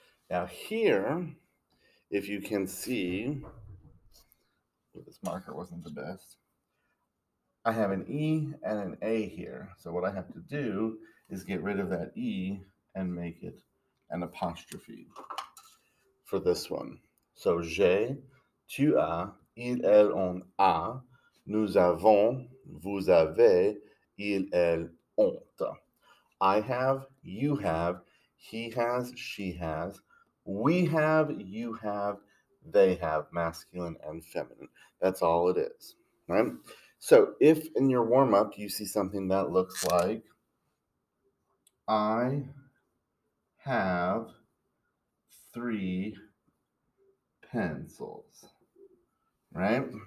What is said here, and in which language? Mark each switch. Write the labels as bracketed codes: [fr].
[en] Now here, if you can see, this marker wasn't the best. I have an E and an A here. So what I have to do is get rid of that E and make it an apostrophe for this one. [fr] So j'ai, tu as, il, elle, on a, nous avons, vous avez, il, elle, ont. [en] I have, you have, he has, she has, we have, you have, they have, masculine and feminine. That's all it is, right? So if in your warm-up you see something that looks like I have three pencils, right?